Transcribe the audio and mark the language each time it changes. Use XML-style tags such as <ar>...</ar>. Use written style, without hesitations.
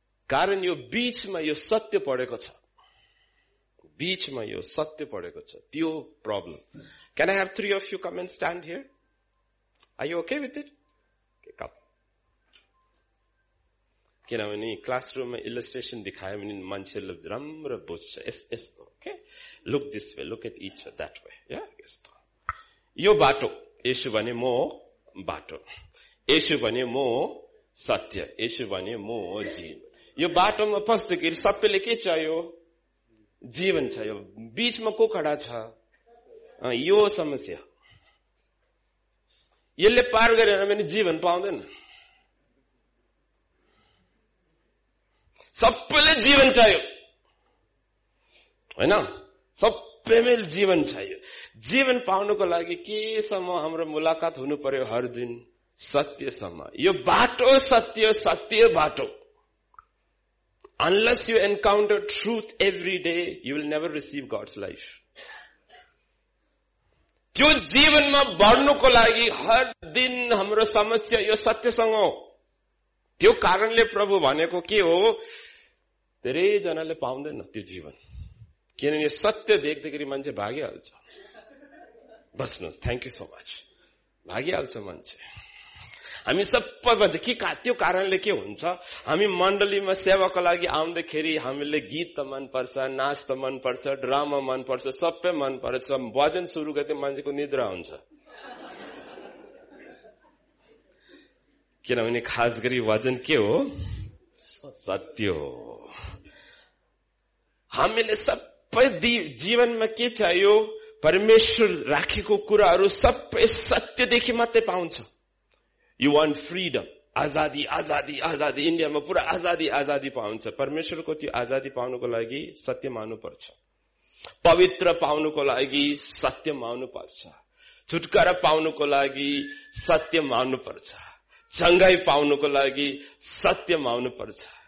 <ne>कारण यो बीचमा यो सत्य पढेको छ. बीचमा यो सत्य पढेको छ, त्यो problem.</ne> <en>Can I have 3 of you come and stand here? Are you okay with it?</en> <ne>किनभने क्लासरुममा इलस्ट्रेसन देखायो भने मान्छेले राम्रो बुझ्छ. यस्तो</ne> <en>Look this way, look at each that way.</en> <ne>यस्तो यो बाटो. यसो भने म बाटो, यसो भने म सत्य, यसो भने म जीव. यो बाटोमा पस्दाखेरि सबैले के चाहियो? जीवन चाहियो. बीचमा को खडा छ? यो समस्या. यसले पार गरेन भने जीवन पाउँदैन. सबैले जीवन चाहियो होइन, सबैले जीवन चाहियो. जीवन पाउनुको लागि केसम्म हाम्रो मुलाकात हुनु पर्यो? हर दिन सत्यसम्म. यो बाटो सत्य, सत्य बाटो.</ne> <en>Unless you encounter truth every day, you will never receive God's life.</en> <ne>त्यो जीवनमा बढ्नुको लागि हर दिन हाम्रो समस्या यो सत्यसँग हो. त्यो कारणले प्रभु भनेको के हो? धेरैजनाले पाउँदैन त्यो जीवन, किनभने सत्य देख्दाखेरि मान्छे भागिहाल्छ. बस्नुहोस्,</ne> <en>Thank you so much.</en> <ne>भागिहाल्छ मान्छे. हामी सबै भन्छ कि त्यो कारणले के हुन्छ? हामी मण्डलीमा सेवाको लागि आउँदाखेरि हामीले गीत त मनपर्छ, नाच त मनपर्छ, ड्रामा मनपर्छ, सबै मनपर्छ. भजन सुरु गर्दै मान्छेको निद्रा हुन्छ, किनभने खास गरी भजन के हो? सत्य हो. हामीले सबै जीवनमा के चाहियो? परमेश्वर राखेको कुराहरू सबै सत्यदेखि मात्रै पाउँछ.</ne> <en>you want freedom,</en> <ne>आजादी, आजादी, आजादी. इन्डियामा पुरा आजादी, आजादी पाउँछ. परमेश्वरको त्यो आजादी पाउनुको लागि सत्य मान्नु पर्छ. पवित्र पाउनुको लागि सत्य मान्नु पर्छ. छुटकारा पाउनुको लागि सत्य मान्नु पर्छ. चङ्गाई पाउनुको लागि सत्य मान्नु पर्छ.</ne>